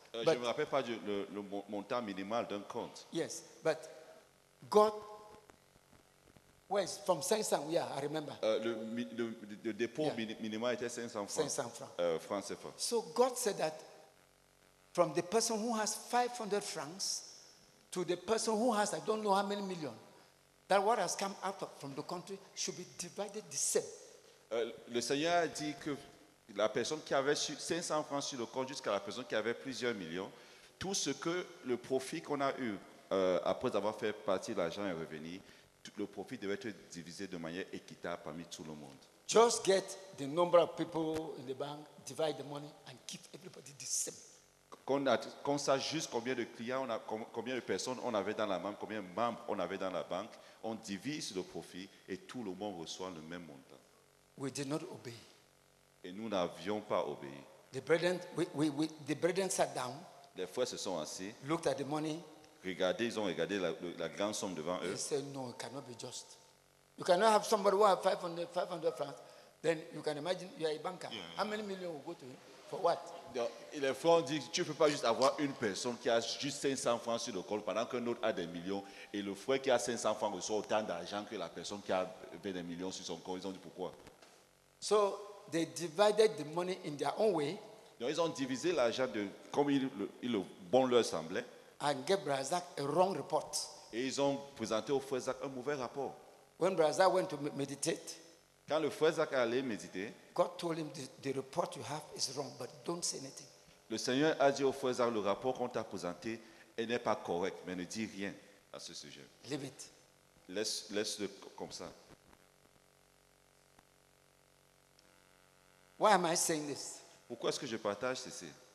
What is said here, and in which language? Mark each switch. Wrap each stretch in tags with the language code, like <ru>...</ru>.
<fr>Je ne me rappelle pas le montant minimal d'un compte.</fr> <en>Yes, but God, where's from 500, yeah, I remember.</en> <fr>Le dépôt minimal était 500 francs. Francs CFA.</fr> <en>So God said that from the person who has 500 francs to the person who has, I don't know how many million, that what has come out from the country should be divided the same.</en> <fr>Le Seigneur a dit que la personne qui avait 500 francs sur le compte jusqu'à la personne qui avait plusieurs millions, tout ce que le profit qu'on a eu après avoir fait partie de l'argent est revenu, le profit devait être divisé de manière équitable parmi tout le monde.</fr> <en>Just get the number of people in the bank, divide the money and keep everybody the same.</en> <fr>Qu'on sache juste combien de clients, combien de personnes on avait dans la banque, combien de membres on avait dans la banque, on divise le profit et tout le monde reçoit le même montant.</fr> <en>We did not obey.</en> <fr>Et nous n'avions pas obéi.</fr> <en>The brethren, the brethren sat down.</en> <fr>Les frères se sont assis.</fr> <en>Looked at the money.</en> <fr>Regardez, ils ont regardé la grande somme devant eux.</fr> <en>They said, no, it cannot be just. You cannot have somebody who has 500 francs. Then you can imagine you are a banker. Yeah. How many millions will go to him? For what?</en> <fr>Les frères ont dit, tu ne peux pas juste avoir une personne qui a juste 500 francs sur le compte pendant qu'un autre a des millions et le frère qui a 500 francs reçoit autant d'argent que la personne qui a 20 millions sur son compte. Ils ont dit pourquoi?</fr> <en>So, they divided the money in their own way.</en> <fr>Donc, ils ont divisé l'argent comme il bon leur semblait.</fr> <en>And gave Brazak a wrong report.</en> <fr>Et ils ont présenté au frère Zach un mauvais rapport.</fr> <en>When Brazak went to meditate,</en> <fr>quand le frère Zach allait méditer,</fr> <en>God told him the report you have is wrong, but don't say anything.</en> <fr>Le Seigneur a dit au frère Zach, le rapport qu'on t'a présenté n'est pas correct, mais ne dis rien à ce sujet.</fr> <en>Leave it.</en> <fr>Laisse-le comme ça.</fr> <en>Why am I saying this?</en> <fr>Pourquoi est-ce que je partage ceci?</fr>